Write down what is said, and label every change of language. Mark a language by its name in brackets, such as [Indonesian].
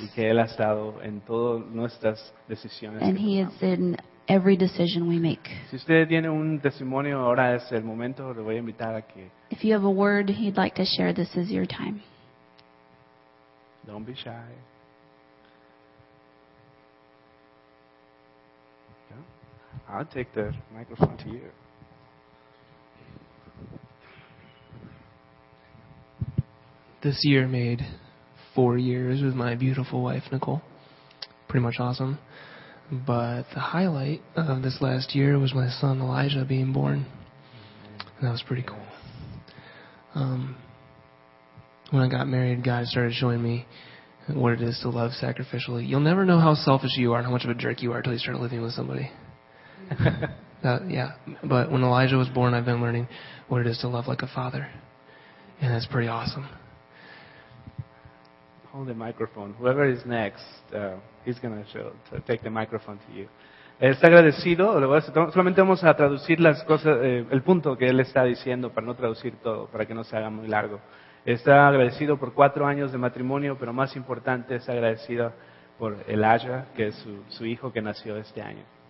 [Spanish] Y que Él ha estado en todas nuestras decisiones. [English] And He is in every decision we make. [Spanish] Si usted tiene un testimonio, ahora es el momento. Le voy a invitar a que. [English] If you have a word you'd like to share, this is your time. Don't be shy. I'll take the microphone to you. This year made 4 years with my beautiful wife, Nicole. Pretty much awesome. But the highlight of this last year was my son, Elijah, being born. And that was pretty cool. When I got married, God started showing me what it is to love sacrificially. You'll never know how selfish you are and how much of a jerk you are until you start living with somebody. But when Elijah was born, I've been learning what it is to love like a father. And that's pretty awesome. Hold the microphone. Whoever is next, he's going to take the microphone to you. [Spanish] Está agradecido. Solamente vamos a traducir las cosas, el punto que él está diciendo para no traducir todo, para que no se haga muy largo. Está agradecido por 4 años de matrimonio, pero más importante, está agradecido por Elijah, que es su hijo que nació este año.